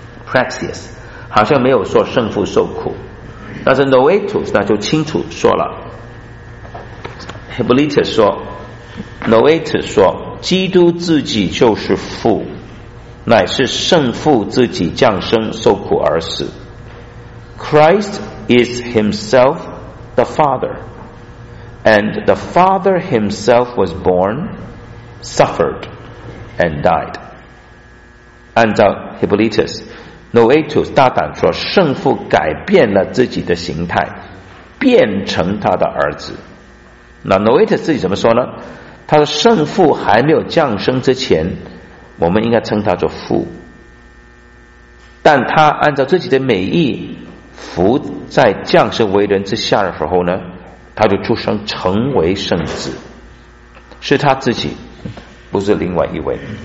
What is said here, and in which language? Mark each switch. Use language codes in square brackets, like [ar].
[zh] Praxius 好像没有说圣父受苦，但是 Noetus 那就清楚说了。 Hippolytus 说 Noetus 说基督自己就是父，乃是圣父自己降生受苦而死。 [en] Christ is himself the Father, and the Father himself was born, suffered, and died. [zh] 按照 Hippolytus， Noetus 大胆说圣父改变了自己的形态，变成他的儿子。那 Noetus 自己怎么说呢？他说圣父还没有降生之前，我们应该称他做父，但他按照自己的美意伏在降生为人之下的时候呢，他就出生成为圣子，是他自己，不是另外一位。